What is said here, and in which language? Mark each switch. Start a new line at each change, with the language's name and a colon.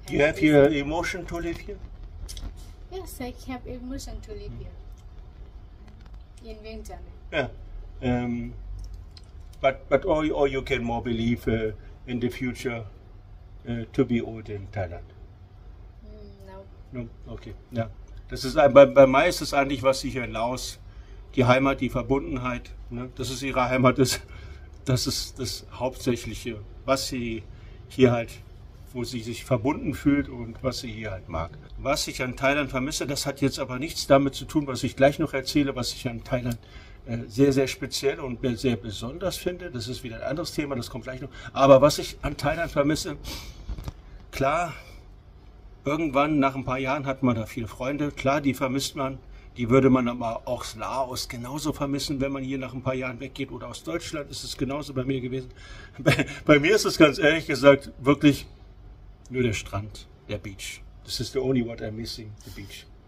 English: You have your emotion to live here? Yes, I have emotion to live here. In Vientiane. Yeah. But you can more believe in the future to be old in Thailand? No. No? Okay, yeah.
German: Das ist bei Mai ist es eigentlich, was sie hier in Laos, die Heimat, die Verbundenheit, ne, das ist ihre Heimat, das ist das Hauptsächliche, was sie hier halt wo sie sich verbunden fühlt und was sie hier halt mag. Was ich an Thailand vermisse, das hat jetzt aber nichts damit zu tun, was ich gleich noch erzähle, was ich an Thailand sehr, sehr speziell und sehr besonders finde. Das ist wieder ein anderes Thema, das kommt gleich noch. Aber was ich an Thailand vermisse, klar, irgendwann nach ein paar Jahren hat man da viele Freunde. Klar, die vermisst man. Die würde man aber auch aus Laos genauso vermissen, wenn man hier nach ein paar Jahren weggeht. Oder aus Deutschland ist es genauso bei mir gewesen. Bei mir ist es ganz ehrlich gesagt wirklich nur der Strand, der Beach.
English: This is the only what I'm missing, the beach.